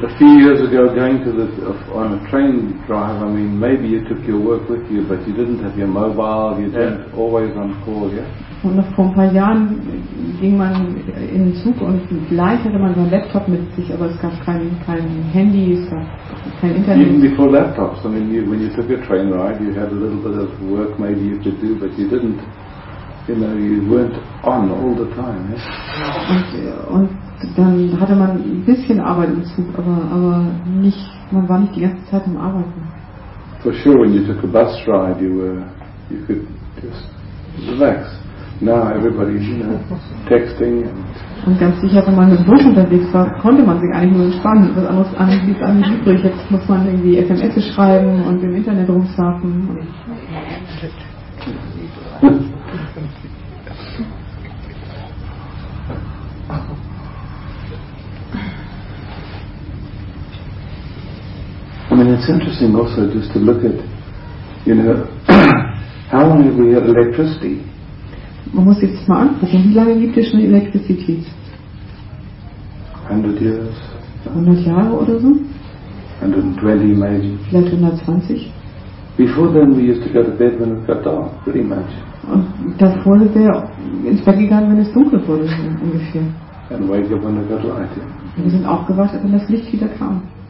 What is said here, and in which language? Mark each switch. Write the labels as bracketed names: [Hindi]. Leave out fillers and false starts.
[English] A few years ago, going to the on a train drive, I mean, maybe you took your work with you, but you didn't have your mobile. You didn't always on call, yeah. [German] Und noch vor ein paar Jahren ging man in den Zug und gleich hatte man seinen Laptop mit sich, aber es gab kein Handy, es gab kein Internet. [English] Even before laptops, I mean, when you took a train ride, you had a little bit of work maybe you could do, but you didn't. You know, you weren't on all the time, yeah. [German] Und dann hatte man ein bisschen Arbeit im Zug, aber nicht, man war nicht die ganze Zeit am Arbeiten. [English] For sure, when you took a bus ride, you could just relax. Now everybody's, you know, texting. [German] Und ganz sicher, wenn man mit dem Bus unterwegs war, konnte man sich eigentlich nur entspannen. Was anderes blieb einem nicht übrig. Jetzt muss man irgendwie SMS schreiben und im Internet rumsurfen. [English] And it's interesting also just to look at, you know, how long have we had electricity? [German] Man muss jetzt mal angucken, wie lange gibt es schon Elektrizität? [English] 100 years. [German] 100 Jahre oder so? [English] 120 maybe. [German] Vielleicht 120. [English] Before then we used to go to bed when it got dark, pretty much. [German] Und davor sind wir ins Bett gegangen, wenn es dunkel wurde, ungefähr. [English] And wake up when it got light, yeah. [German] Wir sind aufgewacht, wenn das Licht wieder kam.